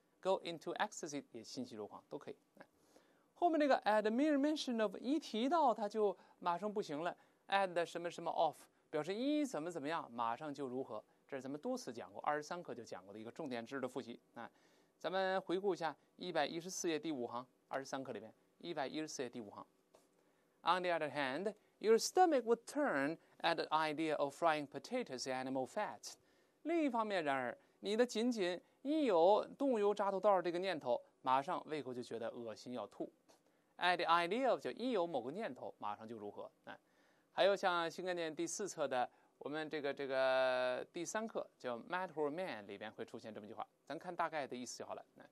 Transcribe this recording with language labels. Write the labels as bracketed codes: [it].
[en] Go into ecstasy [zh] 也欣喜若狂都可以。后面这个 [en] at mere mention of [zh] 一提到它就马上不行了， at 什么什么 of表示一怎么怎么样，马上就如何。这是咱们多次讲过，二十三课就讲过的一个重点知识的复习。啊，咱们回顾一下114页第五行，二十三课里面114页第五行。 [en] On the other hand, your stomach would turn at the idea of frying potatoes and animal fat. [zh] 另一方面，然而你的仅仅一有动物油炸土豆这个念头，马上胃口就觉得恶心要吐。 [en] At the idea of [zh] 就一有某个念头，马上就如何。啊，还有像新概念第四册的我们这个第三课叫 Matter Man 里边会出现这么一句话，咱看大概的意思就好了。